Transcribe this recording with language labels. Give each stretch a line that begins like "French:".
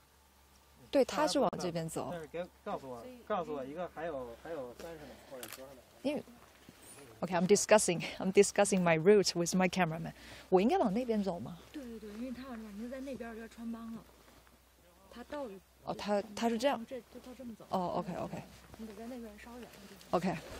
Chinese: 我们应该在这儿吗？因为他要往这边走，我怕会穿帮啊。所以我们在他的背后啊。我对，他是往这边走。告诉我，告诉我一个还有30秒或者多少秒。因为。
English: Okay, I'm discussing my route with my cameraman.
Chinese: 我应该往那边走吗？对对对，因为他软就在那边，就要穿帮了。他到。哦，他是这样。哦，OK，OK。OK。